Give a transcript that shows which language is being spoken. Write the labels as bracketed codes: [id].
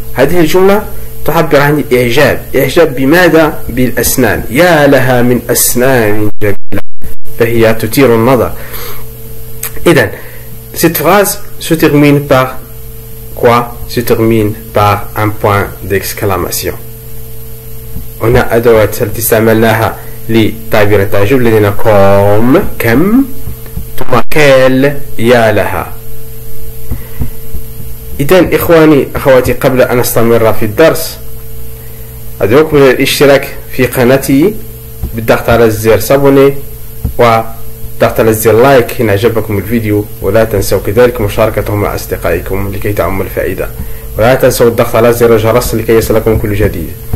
[ar] هذه الجملة تعبر عن الإعجاب. إعجاب بماذا؟ بالأسنان. يا لها من أسنان جميلة، فهي تثير النظر. [fr] إذن cette phrase se termine par quoi? Se termine par un point d'exclamation. On a [ar] أدوات التي استعملناها لتعبير التعجب. لدينا كوم كم، ثم كيل يا لها. إذن إخواني أخواتي، قبل أن أستمر في الدرس أدعوكم للإشتراك في قناتي بالضغط على الزر سابوني وضغط على الزر لايك إن أعجبكم الفيديو، ولا تنسوا كذلك مشاركته مع أصدقائكم لكي تعم الفائدة، ولا تنسوا الضغط على زر الجرس لكي يصلكم كل جديد.